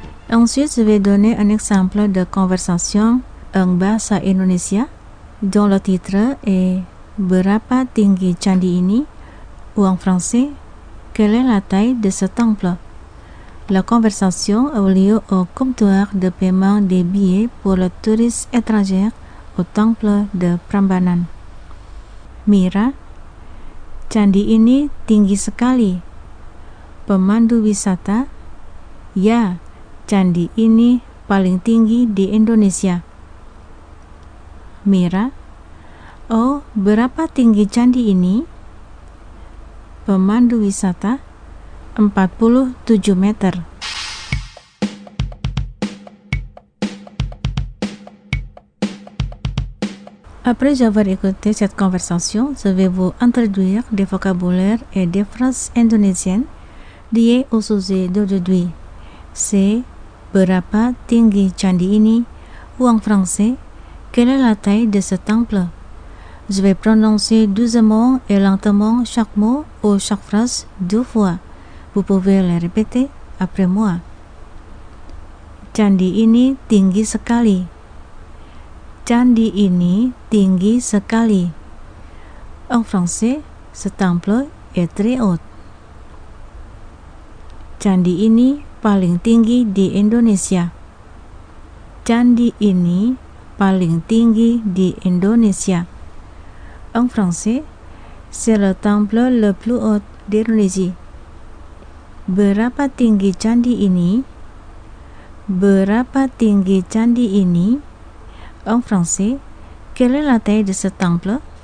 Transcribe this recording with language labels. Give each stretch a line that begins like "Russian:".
French: Ensuite, je vais donner un exemple de conversation en bahasa Indonesia dont le titre est
Indonesian: Berapa tinggi candi ini?
French: Ou en français, quelle est la taille de ce temple? La conversation a eu lieu au comptoir de paiement des billets pour le touriste étranger au temple de Prambanan.
Indonesian: Mira, candi ini tinggi sekali. Pemandu wisata, ya, candi ini paling tinggi di Indonesia. Mira, oh, berapa tinggi candi ini? Pemandu wisata, 47 meter.
French: Après avoir écouté cette conversation, je vais vous introduire des vocabulaires et des phrases indonésiennes liées au sujet d'aujourd'hui. C'est
Indonesian: Berapa tinggi candi ini?
French: Ou en français, quelle est la taille de ce temple? Je vais prononcer doucement et lentement chaque mot ou chaque phrase deux fois. Vous pouvez le répéter après moi.
Indonesian: Candi ini tinggi sekali. Candi ini tinggi sekali.
French: En français, ce temple est très haut.
Indonesian: Candi ini paling tinggi di Indonesia. Candi ini paling tinggi di Indonesia.
French: En français, c'est le temple le plus haut d'Indonésie.
Indonesian: Berapa tinggi candi ini? Berapa tinggi candi ini?
French: En français, quelle est la taille de ce temple?